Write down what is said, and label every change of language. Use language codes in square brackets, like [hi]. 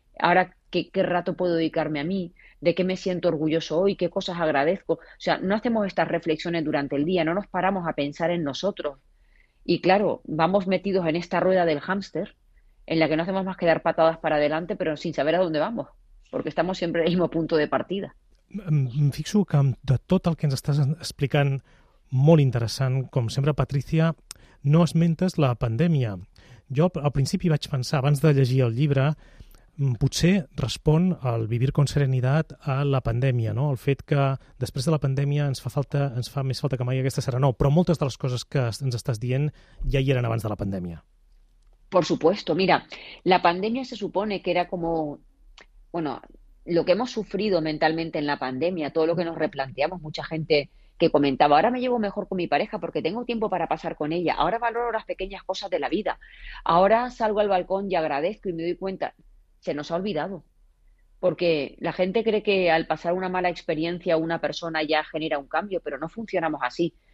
[es] Ahora, ¿qué rato puedo dedicarme a mí? ¿De qué me siento orgulloso hoy? ¿Qué cosas agradezco? O sea, no hacemos estas reflexiones durante el día, no nos paramos a pensar en nosotros. Y claro, vamos metidos en esta rueda del hámster, en la que no hacemos más que dar patadas para adelante, pero sin saber a dónde vamos, porque estamos siempre en el mismo punto de partida. [ca] Em fixo que amb de tot el que ens estàs explicant, molt interessant, com sempre, Patrícia, no esmentes la pandèmia. Jo al principi vaig pensar, abans de llegir el llibre, potser respon al [es] vivir con [ca] serenitat a la pandèmia, no? El fet que després de la pandèmia ens fa més falta que mai aquesta serenor, però moltes de les coses que ens estàs dient ja hi eren abans de la pandèmia. [es] Por supuesto, mira, la pandemia se supone que era como, bueno, lo que hemos sufrido mentalmente en la pandemia, todo lo que nos replanteamos, mucha gente que comentaba, ahora me llevo mejor con mi pareja porque tengo tiempo para pasar con ella, ahora valoro las pequeñas cosas de la vida, ahora salgo al balcón y agradezco y me doy cuenta, se nos ha olvidado, porque la gente cree que al pasar una mala experiencia una persona ya genera un cambio, pero no funcionamos así.